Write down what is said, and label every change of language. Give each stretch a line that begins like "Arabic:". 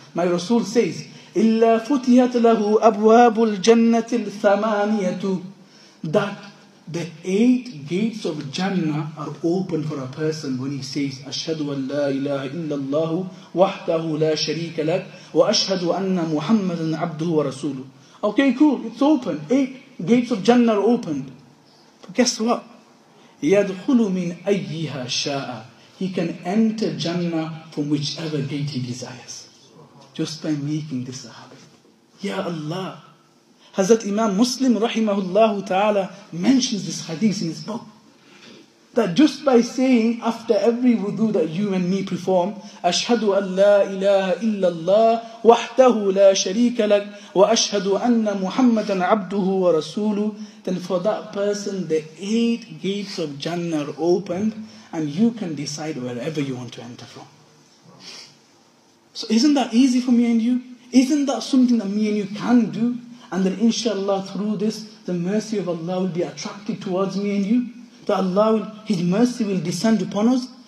English: My Rasul says,
Arabic: إِلَّا فُتِحَتْ لَهُ أَبْوَابُ الْجَنَّةِ الثَّمَانِيَةُ.
English: That the eight gates of Jannah are open for a person when he says,
Arabic: أَشْهَدُ أَنْ لَا إِلَهَ إِلَّا اللَّهُ وَحْدَهُ لَا شَرِيكَ لَكَ وَأَشْهَدُ أَنَّ مُحَمَّدًا عَبْدُهُ وَرَسُولُهُ.
English: Okay, cool, it's open. Eight gates of Jannah are opened. But guess what?
Arabic: يَدْخُلُ مِنْ أَيِّهَا شَاءَ.
English: He can enter Jannah from whichever gate he desires. Just by making this a habit. Ya Allah! Hazrat Imam Muslim rahimahullah ta'ala mentions this hadith in his book. That just by saying after every wudu that you and me perform,
Arabic: أَشْهَدُ أَنْ لَا إِلَهَ إِلَّا اللَّهُ وَحْدَهُ لَا شَرِيكَ لَكَ وَأَشْهَدُ أَنَّ مُحَمَّدًا عَبْدُهُ وَرَسُولُهُ.
English: Then for that person, the eight gates of Jannah are opened and you can decide wherever you want to enter from. So isn't that easy for me and you? Isn't that something that me and you can do? And then inshallah through this, the mercy of Allah will be attracted towards me and you. That Allah, His mercy will descend upon us.